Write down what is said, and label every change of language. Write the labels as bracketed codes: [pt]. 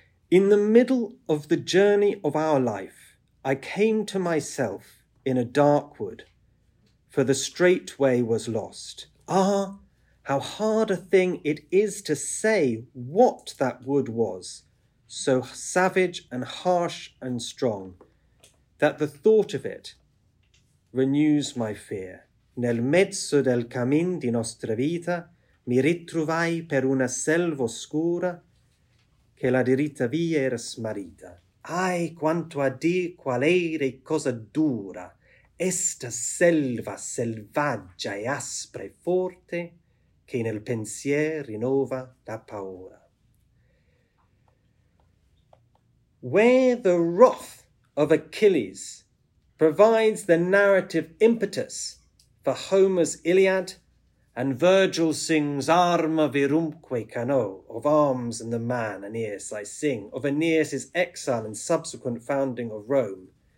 [en] In the middle of the journey of our life, I came to myself in a dark wood, for the straight way was lost. Ah, how hard a thing it is to say what that wood was, so savage and harsh and strong, that the thought of it renews my fear. [it] Nel mezzo del cammin di nostra vita mi ritrovai per una selva oscura che la diritta via era smarrita. Ai, quanto a dir qual era e cosa dura esta selva selvaggia e aspra e forte che nel pensier rinnova la paura. [en] Where the wrath of Achilles provides the narrative impetus for Homer's Iliad, and Virgil sings [la] Arma virumque cano, [en] of arms and the man Aeneas I sing, of Aeneas's exile and subsequent founding of Rome.